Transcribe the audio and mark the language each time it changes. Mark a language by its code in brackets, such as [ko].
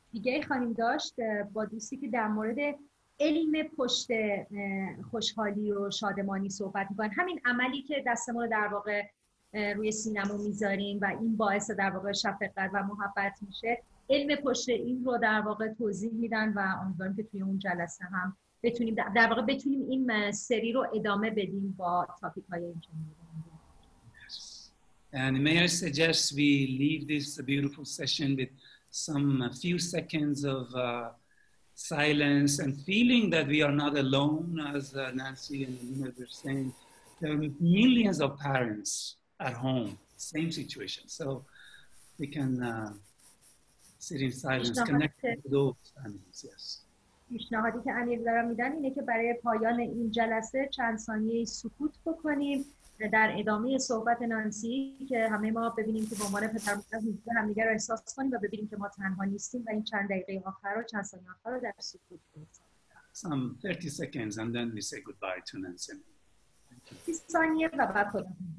[fa] دیگه خانم داشت با دوستی که در مورد علم پشت خوشحالی و شادمانی صحبت می‌کنن، همین عملی که دستمون رو در واقع روی سینمو میذاریم و این باعث در واقع شفقت و محبت میشه، علم پشت این رو در واقع توضیح میدن و امیدوارم که توی اون جلسه هم بتونیم در واقع بتونیم این سری رو ادامه بدیم با تاپیک های این چنین. [en] And may I suggest we leave this beautiful session with some few seconds of silence and feeling that we are not alone, as Nancy and Nina were saying. There are millions of parents at home, same situation. So we can sit in silence, connect with those families, yes. [fa] پیشنهادی که امیر دارم میدن اینه که برای پایان این جلسه چند ثانیه سکوت بکنیم در ادامه صحبت نانسی، که همه ما ببینیم که به عنوان پدر مادر میتونیم همدیگر رو احساس کنیم و ببینیم که ما تنها نیستیم، و این چند دقیقه آخر رو چند ثانیه آخر رو در سکوت بگذاریم. [en] 30 seconds and then we say goodbye to Nancy. [fa] 30 ثانیه و بعد خودم.